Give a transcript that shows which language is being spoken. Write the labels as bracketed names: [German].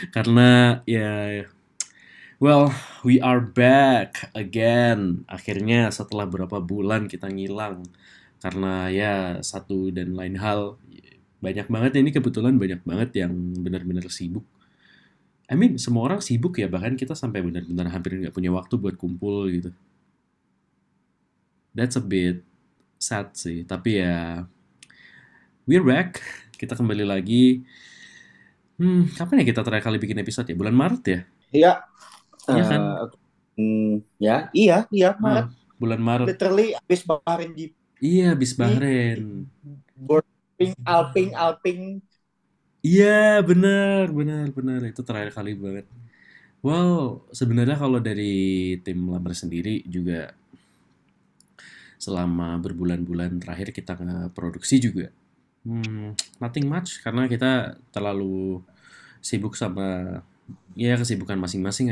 [Indonesian] Karena ya, [English] well, we are back again. [Indonesian] Akhirnya setelah berapa bulan kita ngilang. Karena ya, satu dan lain hal. Banyak banget ini kebetulan banyak banget yang benar-benar sibuk. [English] I mean, [Indonesian] semua orang sibuk ya. Bahkan kita sampai benar-benar hampir gak punya waktu buat kumpul gitu. [English] That's a bit sad sih. [Indonesian] Tapi ya, [English] we're back. [Indonesian] Kita kembali lagi. Kapan ya kita terakhir kali bikin episode ya? Bulan Maret ya? Iya, Iya kan? ya, iya, Ah, Maret. bulan Maret. Literally habis Bahrain Iya, habis Bahrain. boarding Alping, Alping. Iya, benar, benar, benar. Itu terakhir kali banget. [English] Well, [Indonesian] sebenarnya kalau dari tim Lambar sendiri juga selama berbulan-bulan terakhir kita ngeproduksi juga. [English] Nothing much [Indonesian] karena kita terlalu sibuk sama ya kesibukan masing-masing.